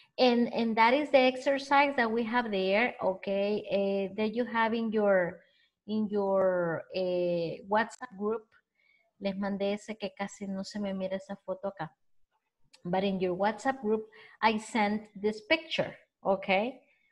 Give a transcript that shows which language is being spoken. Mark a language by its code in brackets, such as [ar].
[en] And that is the exercise that we have there, okay? That you have in your WhatsApp group. [es] Les mandé ese que casi no se me mira esa foto acá. [en] But in your WhatsApp group, I sent this picture, okay?